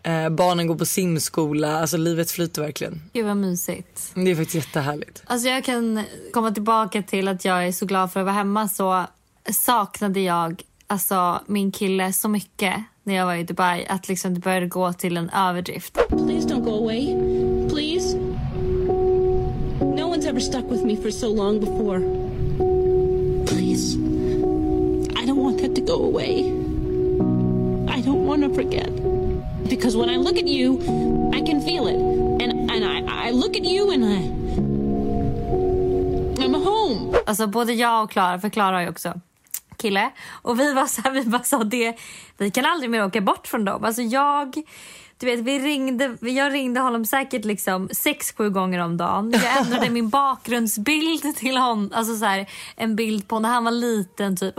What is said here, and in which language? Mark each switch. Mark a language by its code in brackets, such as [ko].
[sv] Barnen går på simskola, alltså livet flyter verkligen. Gud vad mysigt. Det är faktiskt jättehärligt. Alltså jag kan komma tillbaka till att jag är så glad för att vara hemma, så saknade jag alltså, min kille så mycket när jag var i Dubai att liksom det började gå till en överdrift. [en] Please don't go away. Please. No one's ever stuck with me for so long before. Please. I don't want that to go away. I don't want to forget. Because when I look at you, I can feel it. And I look at you and I'm home. [sv] Alltså både jag och Klara förklarar ju också. Kille. Och vi var så här, vi bara sa det. Vi kan aldrig mer åka bort från dem. Alltså jag, du vet, jag ringde honom säkert liksom 6-7 gånger om dagen. Jag ändrade min bakgrundsbild till honom. Alltså så här, en bild på när han var liten typ.